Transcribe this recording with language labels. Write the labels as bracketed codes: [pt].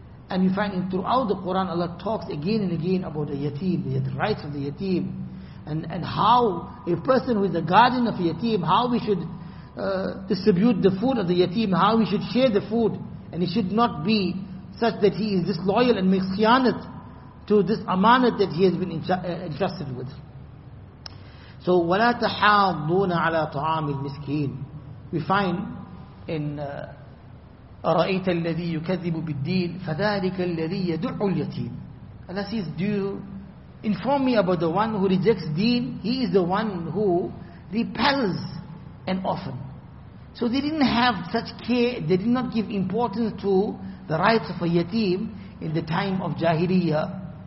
[en] And you find throughout the Quran, Allah talks again and again about the yatim, the rights of the yatim, and how a person who is the guardian of a yatim, how we should distribute the food of the yatim, how we should share the food. And he should not be such that he is disloyal and makes khiyanat to this amanat that he has been entrusted with. So, [ar] وَلَا تَحَاضُّونَ عَلَىٰ طَعَامِ الْمِسْكِينَ. [en] We find in [ar] أَرَأَيْتَ الَّذِي يُكَذِّبُ بِالدِّينِ فَذَٰلِكَ الَّذِي يَدُعُّ الْيَتِينَ. [en] Allah says, do you inform me about the one who rejects deen? He is the one who repels an orphan. So they didn't have such care, they did not give importance to the rights of a yatim in the time of Jahiliyyah.